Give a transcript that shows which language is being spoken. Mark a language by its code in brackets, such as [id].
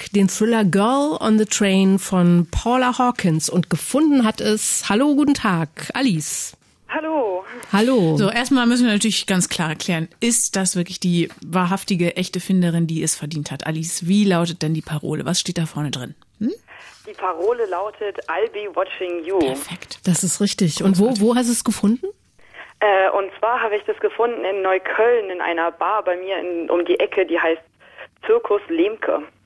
[de] Den Thriller Girl on the Train von Paula Hawkins. Und gefunden hat es, hallo, guten Tag, Alice. Hallo. Hallo. So, erstmal müssen wir natürlich ganz klar erklären, ist das wirklich die wahrhaftige, echte Finderin, die es verdient hat? Alice, wie lautet denn die Parole? Was steht da vorne drin? Die Parole lautet, [en] I'll be watching you. [de] Perfekt, das ist richtig. Und wo hast du es gefunden? Und zwar habe ich das gefunden in Neukölln, in einer Bar bei mir um die Ecke, die heißt Zirkus Lemke.